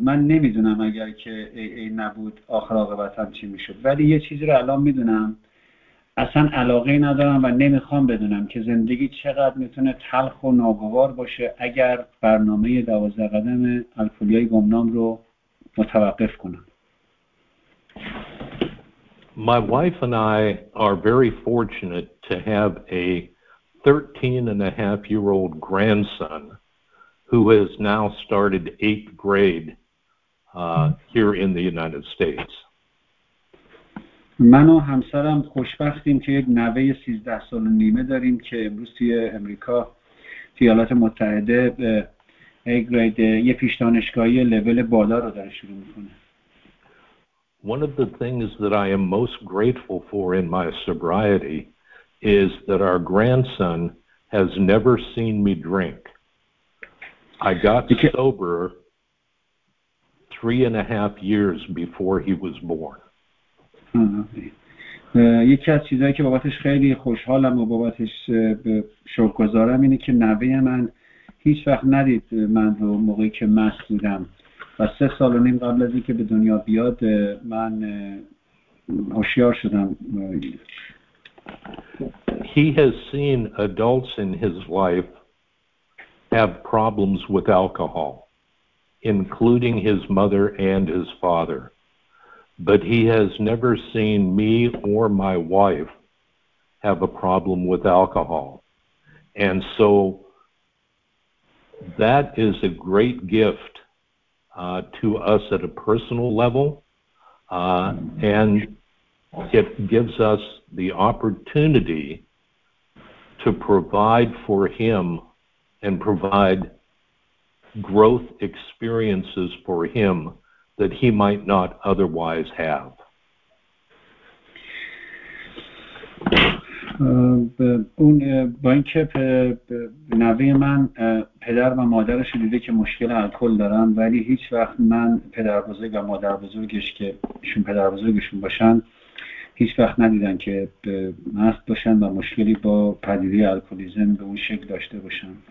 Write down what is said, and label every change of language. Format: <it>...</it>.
<fa>من نمیدونم اگر که ای نبود آخر عاقبتم چی میشد، ولی یه چیزی رو الان میدونم، اصلا علاقه ندارم و نمیخوام بدونم که زندگی چقدر میتونه تلخ و ناگوار باشه اگر برنامه 12 قدم الکلی‌های گمنام رو متوقف کنم.</fa> <en>My wife and I are very fortunate to have a 13-and-a-half-year-old grandson who has now started 8th grade here in the United States.</en> <fa>من و همسرم خوشبختیم که یک نوه 13 سال و نیمه داریم که امروز توی امریکا توی ایالات متحده</fa> <en>8th grade</en> <fa>یه پیش دانشگاهی لول بالا رو داره شروع میکنه.</fa> <en>One of the things that I am most grateful for in my sobriety is that our grandson has never seen me drink. I got sober 3.5 years before he was born.</en> <fa>یکی از چیزایی که بابتش خیلی خوشحالم و بابتش شکرگزارم اینه که نوه من هیچ وقت ندید من رو موقعی که مست بودم. و 3 سال و نیم قبل از اینکه به دنیا بیاد من هوشیار شدم.</fa> <en>He has seen adults in his life have problems with alcohol, including his mother and his father. But he has never seen me or my wife have a problem with alcohol. And so that is a great gift to us at a personal level, and it gives us the opportunity to provide for him and provide growth experiences for him that he might not otherwise have.</en> <fa>اون با اینکه نوه من پدر و مادرش رو دیده که مشکل الکل دارن ولی هیچ وقت من پدر بزرگ و مادر بزرگش که ایشون پدر بزرگشون باشن هیچ وقت ندیدن که مست باشن و مشکلی با پدیده الکلیزم به اون شکل داشته باشن.</fa>